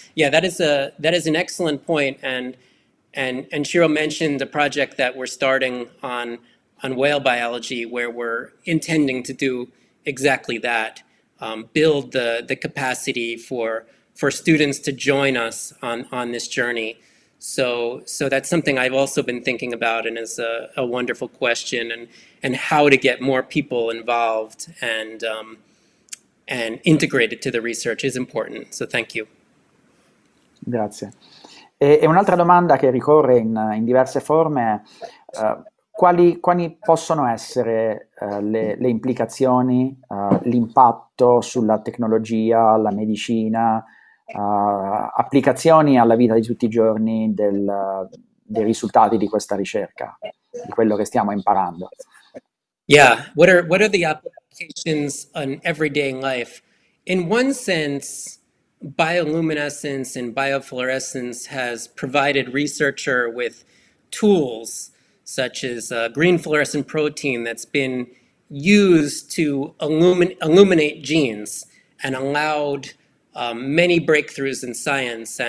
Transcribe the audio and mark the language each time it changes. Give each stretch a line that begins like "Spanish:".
English: Yeah, that is an excellent point. And Shiro mentioned a project that we're starting on whale biology, where we're intending to do exactly that, build the capacity for students to join us on this journey. So that's something I've also been thinking about, and is a wonderful question, and how to get more people involved and integrated to the research is important. So thank you.
Italian: Grazie. E un'altra domanda che ricorre in diverse forme è Quali possono essere le implicazioni, l'impatto sulla tecnologia, la medicina, applicazioni alla vita di tutti i giorni dei risultati di questa ricerca, di quello che stiamo imparando?
English: Yeah, what are the applications on everyday life? In one sense, bioluminescence and biofluorescence has provided researcher with tools such as a green fluorescent protein that's been used to illuminate genes and allowed many breakthroughs in science.